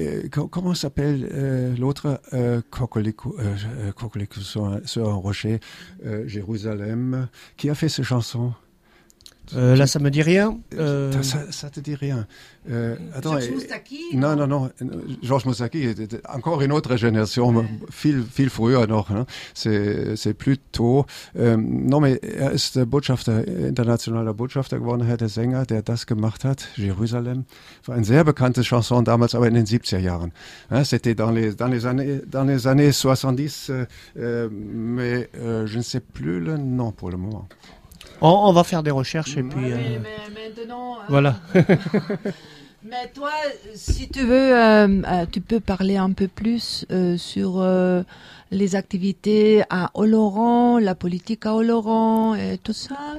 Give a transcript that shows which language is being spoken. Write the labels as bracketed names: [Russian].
[French] Comment s'appelle l'autre Coquelicot sur un rocher, Jérusalem, qui a fait ces chansons? Là, ça me dit rien. Ça te dit rien. Georges Moustaki. Non, Georges Moustaki, encore une autre génération, [German] viel früher noch. [French] Ne? C'est plus tôt. Non, mais [German] er ist Botschafter, internationaler Botschafter geworden, der Sänger, der das gemacht hat, Jérusalem. War ein sehr bekanntes Chanson damals, aber in den 70er Jahren. [French] Hein? C'était dans les années 70, mais je ne sais plus le nom pour le moment. On va faire des recherches et puis... Oui, mais maintenant... Voilà. Mais toi, si tu veux, tu peux parler un peu plus sur les activités à Oloron, la politique à Oloron et tout ça.